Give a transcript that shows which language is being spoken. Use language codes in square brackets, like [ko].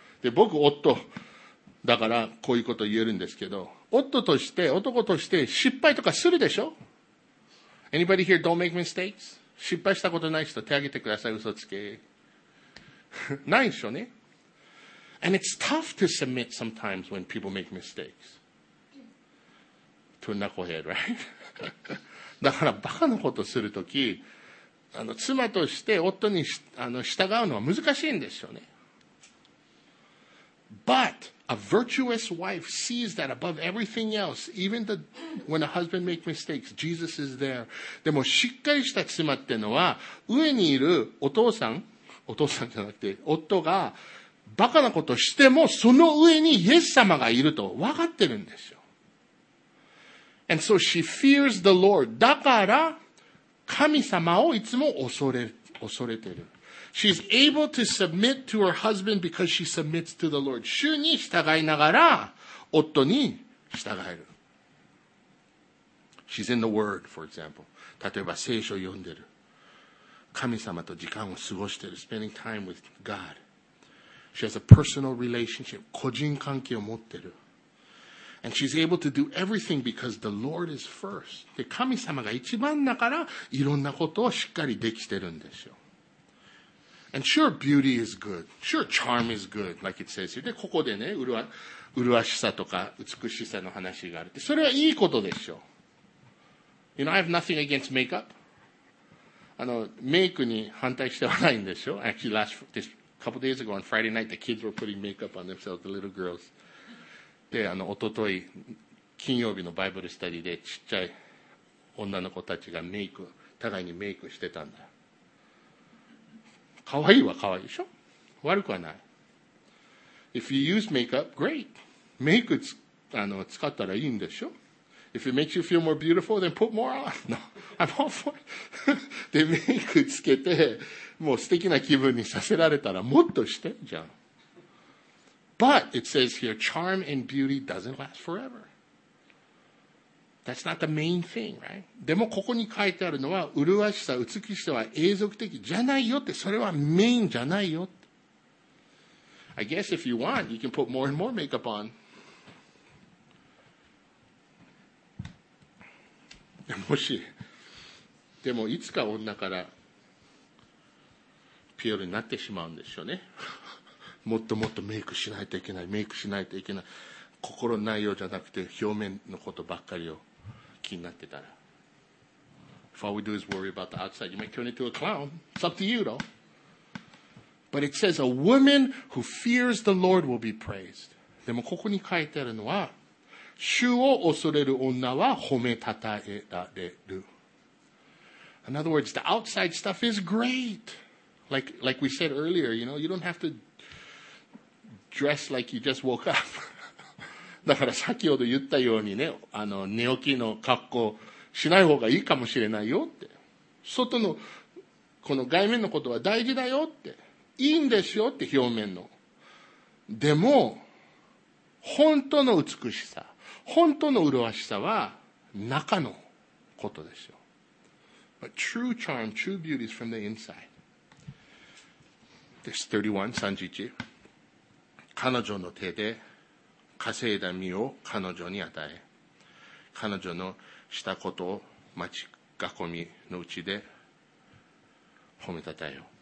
[ja] で僕夫だからこういうこと言えるんですけど、夫として男として失敗とかするでしょ。 [en] Anybody here don't make mistakes? [ja] 失敗したことない人手挙げてください。嘘つけないでしょね。 [en] And it's tough to submit sometimes when people make mistakes. To a knucklehead, right? [ja] だからバカなことするとき、あの妻として夫にあの従うのは難しいんですよね。 [en] But a virtuous wife sees that above everything else, even the, when a husband makes mistakes, Jesus is there. [ja] でもしっかりした妻ってのは、上にいるお父さんじゃなくて夫が、バカなことしてもその上にイエス様がいると分かってるんですよ。 [en] And so she fears the Lord. [ja] だから神様をいつも恐れてる。 [en] She's able to submit to her husband because she submits to the Lord. [ja] 主に従いながら夫に従える。 [en] She's in the Word, for example. [ja] 例えば聖書を読んでる。神様と時間を過ごしてる。 [en] Spending time with God. She has a personal relationship. [ja] 個人関係を持ってる。 [en] And she's able to do everything because the Lord is first. [ja] で、神様が一番だから、いろんなことをしっかりできてるんですよ。 [en] And sure, beauty is good. Sure, charm is good, like it says here. [ja] で、ここでね、麗しさとか美しさの話がある。それはいいことでしょ。 [en] You know, I have nothing against makeup. [ja] あの、メイクに反対してはないんでしょ。 [en] Actually, last, this, A couple days ago on Friday night, the kids were putting makeup on themselves, the little girls. [ja] で、あの一昨日金曜日のバイブルスタディでちっちゃい女の子たちがメイク、互いにメイクしてたんだ。可愛いは可愛いでしょ。悪くはない。 [en] If you use makeup, great. [ja] メイクあの使ったらいいんでしょ。 [en] If it makes you feel more beautiful, then put more on. No, I'm all for it. [ja] で、メイクつけて、もう素敵な気分にさせられたらもっとしてじゃん。 [en] But it says here, charm and beauty doesn't last forever. That's not the main thing, right? [ja] でもここに書いてあるのは、麗しさ、美しさは永続的じゃないよって、それはメインじゃないよって。 [en] I guess if you want, you can put more and more makeup on. [ja] もし、でもいつか女からピエロになってしまうんでしょうね。もっともっとメイクしないといけない、メイクしないといけない。心の内容じゃなくて表面のことばっかりを気になってたら。 [en] If all we do is worry about the outside, you might turn into a clown. It's up to you though. But it says, a woman who fears the Lord will be praised. [ja] でもここに書いてあるのは、主を恐れる女は褒めたたえられる。 [en] In other words, the outside stuff is great. Like we said earlier, you know, you don't have to dress like you just woke up. [ja] だから先ほど言ったようにね、あの寝起きの格好しない方がいいかもしれないよって。外の、この外面のことは大事だよって。いいんですよって表面の。でも、本当の美しさ、本当の麗しさは中のことですよ。 [en] But true charm, true beauty is from the inside. This 31, 31. [ja] 彼女の手で稼いだ身を彼女に与え、彼女のしたことを町囲みのうちで褒めたたえよ。